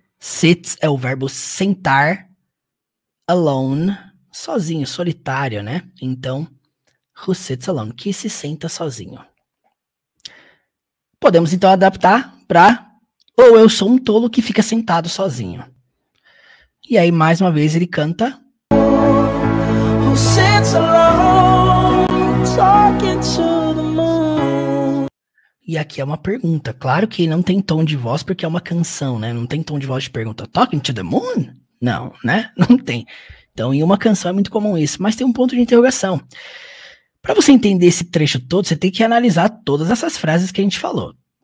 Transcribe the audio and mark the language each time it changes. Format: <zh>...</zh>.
<pt>Sits é o verbo sentar. Alone, sozinho, solitário, né? Então,</pt> <en>who sits alone,</en> <pt>que se senta sozinho. Podemos então adaptar para ou eu sou um tolo que fica sentado sozinho. E aí, mais uma vez, ele canta.</pt> <en>Who sits alone, talking to the moon.</en> <pt>E aqui é uma pergunta. Claro que não tem tom de voz porque é uma canção, né? Não tem tom de voz de pergunta.</pt> <en>Talking to the moon?</en> <pt>Não, né? Não tem. Então, em uma canção é muito comum isso, mas tem um ponto de interrogação. Para você entender esse trecho todo, você tem que analisar todas essas frases que a gente falou.</pt>